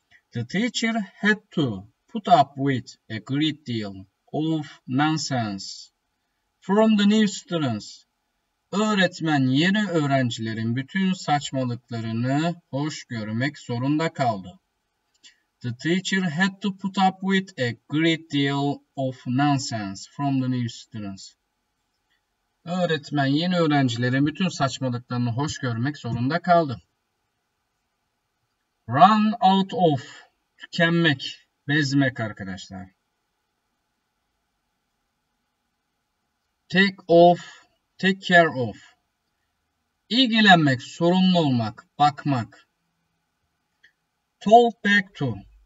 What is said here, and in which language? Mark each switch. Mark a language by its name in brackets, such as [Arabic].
[English] The teacher had to put up with a great deal of nonsense from the new students. [Turkish] Öğretmen yeni öğrencilerin bütün saçmalıklarını hoş görmek zorunda kaldı. [English] The teacher had to put up with a great deal of nonsense from the new students. [Turkish] Öğretmen yeni öğrencilerin bütün saçmalıklarını hoş görmek zorunda kaldı. Run out of, tükenmek, bezmek arkadaşlar. Take off, take care of. İlgilenmek, sorumlu olmak, bakmak. Talk back to.